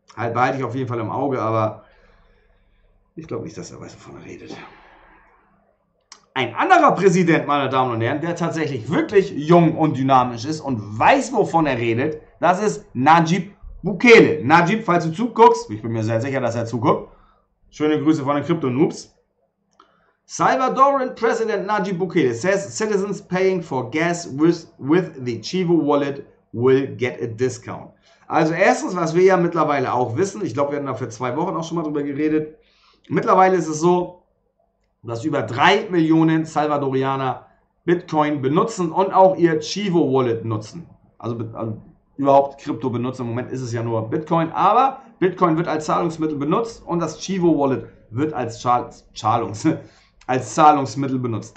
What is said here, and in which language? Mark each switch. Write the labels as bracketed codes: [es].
[de] Halt, behalte ich auf jeden Fall im Auge, aber ich glaube nicht, dass er weiß, wovon er redet. Ein anderer Präsident, meine Damen und Herren, der tatsächlich wirklich jung und dynamisch ist und weiß, wovon er redet, das ist Najib Bukele. Najib, falls du zuguckst, ich bin mir sehr sicher, dass er zuguckt, schöne Grüße von den Krypto-Noobs. [en] Salvadoran President Najib Bukele says, citizens paying for gas with the Chivo Wallet will get a discount. [de] Also erstens, was wir ja mittlerweile auch wissen, ich glaube, wir haben da vor 2 Wochen auch schon mal drüber geredet. Mittlerweile ist es so, dass über 3 Millionen Salvadorianer Bitcoin benutzen und auch ihr Chivo Wallet nutzen. Also überhaupt Krypto benutzen. Im Moment ist es ja nur Bitcoin, aber Bitcoin wird als Zahlungsmittel benutzt und das Chivo Wallet wird als Zahlungsmittel benutzt.